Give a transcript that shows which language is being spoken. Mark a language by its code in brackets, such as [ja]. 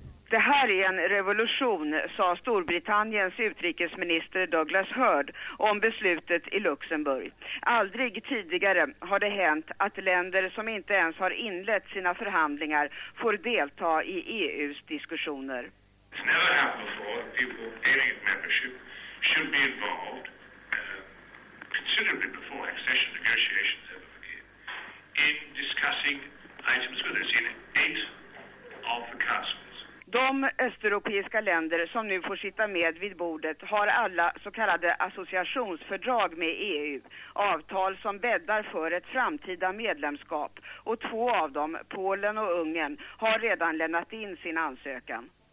[sv] Det här är en revolution, sa Storbritanniens utrikesminister Douglas Hurd om beslutet i Luxemburg. Aldrig tidigare har det hänt att länder som inte ens har inlett sina förhandlingar får delta i EU:s diskussioner. [en] It's never happened before. People aiming at membership should be involved considerably before accession negotiations ever begin in discussing items whether it's in eight of the cuts. [sv] De östeuropeiska länder som nu får sitta med vid bordet har alla så kallade associationsfördrag med EU. Avtal som bäddar för ett framtida medlemskap. Och två av dem, Polen och Ungern, har redan lämnat in sin ansökan.